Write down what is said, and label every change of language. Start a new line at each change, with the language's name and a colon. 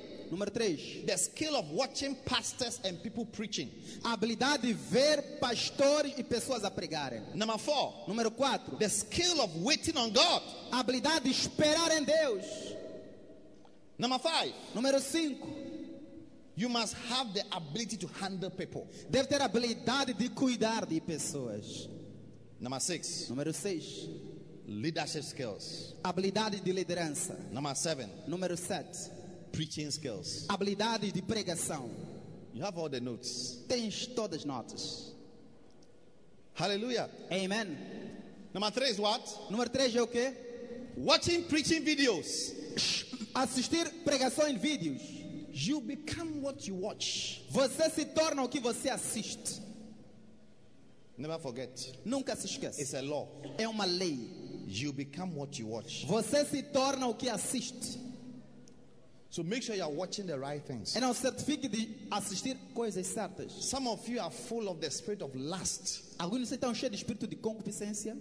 Portuguese: Número 3.
English: The skill of watching pastors and people preaching.
Portuguese: A habilidade de ver pastores e pessoas a pregarem. Número 4.
English: The skill of waiting on God.
Portuguese: A habilidade de esperar em Deus. Número 5.
English: You must have the ability to handle people.
Portuguese: Deve ter a habilidade de cuidar de pessoas. Número 6.
English: Leadership skills.
Portuguese: Habilidade de liderança. Número 7. Número 7.
English: Preaching skills.
Portuguese: Habilidade de pregação.
English: You have all the notes.
Portuguese: Tens todas as notas. Hallelujah. Amen. Número 3
English: is what?
Portuguese: Número 3 é o quê?
English: Watching preaching videos.
Portuguese: Assistir pregação em vídeos.
English: You become what you watch.
Portuguese: Você se torna o que você assiste.
English: Never forget.
Portuguese: Nunca se esqueça.
English: It's a law.
Portuguese: É uma lei.
English: You become what you watch.
Portuguese: Você se torna o que assiste.
English: So make sure you are watching the right things.
Portuguese: Então certifique de assistir coisas certas.
English: Some of you are full of the spirit of lust.
Portuguese: Alguns de vocês estão cheios de espírito de concupiscência.